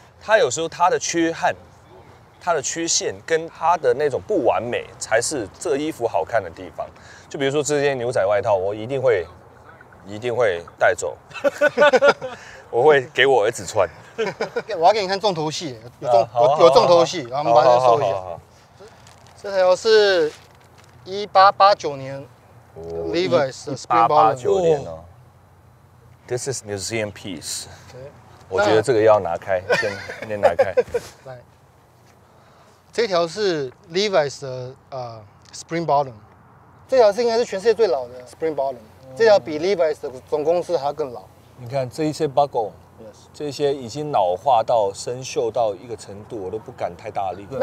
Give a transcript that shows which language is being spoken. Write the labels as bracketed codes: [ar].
[zh] 他有时候他的缺憾、他的缺陷跟他的那种不完美，才是这衣服好看的地方。就比如说这件牛仔外套，我一定会带走，我会给我儿子穿。我要给你看重头戏，有重头戏，然后我们把它收一下。这条是1889年 Levi's Spring Bottom。 1889年哦 [en] ，This is museum piece。 [zh] 我觉得这个要拿开，先拿开。来，这条是 Levi's 的Spring Bottom， 这条是应该是全世界最老的 Spring Bottom，这条比 Levi's 的总公司还要更老。你看这一些 buckle。这些已经老化到生锈到一个程度，我都不敢太大力。